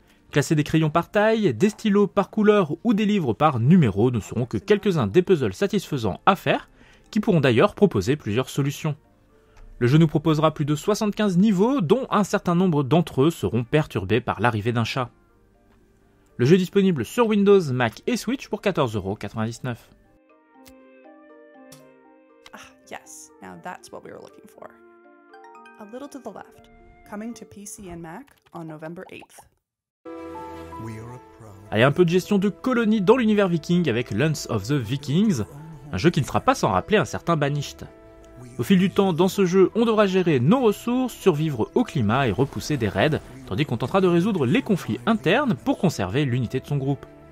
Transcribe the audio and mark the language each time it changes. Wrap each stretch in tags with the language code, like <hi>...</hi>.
<fr>Classer des crayons par taille, des stylos par couleur ou des livres par numéro ne seront que quelques-uns des puzzles satisfaisants à faire, qui pourront d'ailleurs proposer plusieurs solutions. Le jeu nous proposera plus de 75 niveaux, dont un certain nombre d'entre eux seront perturbés par l'arrivée d'un chat. Le jeu est disponible sur Windows, Mac et Switch pour 14,99€.</fr> <en>Ah, yes, now that's what we were looking for. A Little to the Left, coming to PC and Mac on November 8th.</en> <fr>Allez, un peu de gestion de colonie dans l'univers viking avec Lands of the Vikings, un jeu qui ne fera pas sans rappeler un certain Banished. Au fil du temps, dans ce jeu, on devra gérer nos ressources, survivre au climat et repousser des raids, tandis qu'on tentera de résoudre les conflits internes pour conserver l'unité de son groupe.</fr>